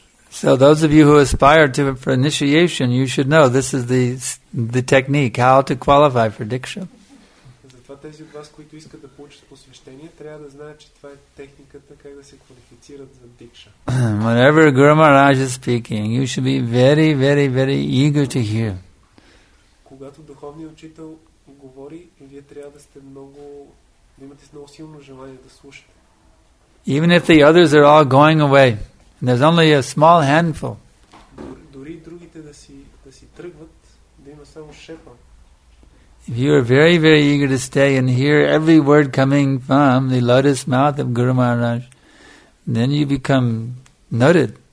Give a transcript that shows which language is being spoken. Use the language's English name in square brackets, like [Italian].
[English] So those of you who aspire to for initiation, you should know this is the technique, how to qualify for diksha. [Bulgarian] Тези от вас, които искат да получат посвещение, трябва да знаят, че това е техниката как да се квалифицират за дикша. [English] Whenever Guru Maharaj is speaking, you should be very, very, very eager to hear. [Bulgarian] Когато духовният учител говори, вие трябва да сте много, да имате много силно желание да слушате. [English] Even if the others are all going away, and there's only a small handful. [Bulgarian] Дори другите да си тръгват, да има само шепа. [English] If you are very, very eager to stay and hear every word coming from the lotus mouth of Guru Maharaj, then you become noted.